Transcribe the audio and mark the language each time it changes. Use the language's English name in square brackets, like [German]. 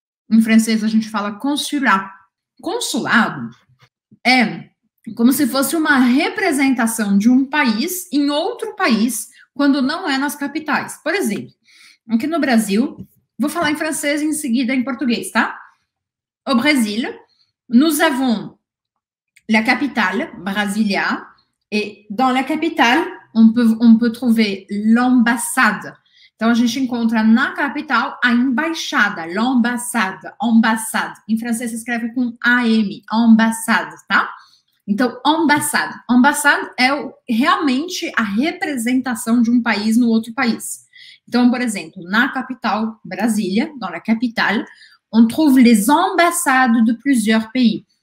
[Portuguese] Em francês a gente fala consulat. Consulado é como se fosse uma representação de um país em outro país, quando não é nas capitais. Por exemplo, aqui no Brasil, vou falar em francês e em seguida em português, tá? [French] Au Brésil, nous avons la capitale, Brasilia, et dans la capitale, on peut trouver l'ambassade. [Portuguese] Então, a gente encontra na capital a embaixada, l'ambassade, ambassade. Em francês, se escreve com AM, ambassade, tá? Então, ambassade. Ambassade é realmente a representação de um país no outro país. Então, por exemplo, na capital, Brasília, [French] dans la capitale, on trouve les ambassades de plusieurs pays.